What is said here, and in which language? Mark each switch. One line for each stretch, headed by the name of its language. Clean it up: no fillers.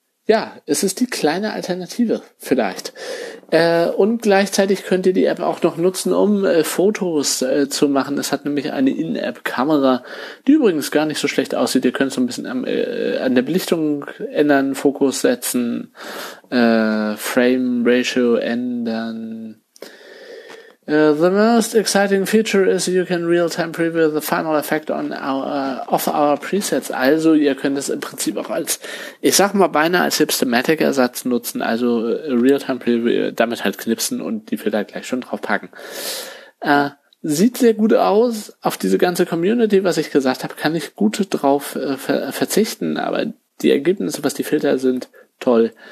German: Ja, es ist die kleine Alternative vielleicht. Und gleichzeitig könnt ihr die App auch noch nutzen, um Fotos zu machen. Es hat nämlich eine In-App-Kamera, die übrigens gar nicht so schlecht aussieht. Ihr könnt so ein bisschen an der Belichtung ändern, Fokus setzen, Frame-Ratio ändern.
English: The most exciting feature is you can real-time preview the final effect on of our presets.
German: Also ihr könnt es im Prinzip auch als, ich sag mal, beinahe als Hipstamatic-Ersatz nutzen, also real-time preview, damit halt knipsen und die Filter gleich schon draufpacken. Sieht sehr gut aus. Auf diese ganze Community, was ich gesagt habe, kann ich gut drauf verzichten, aber die Ergebnisse, was die Filter sind, toll.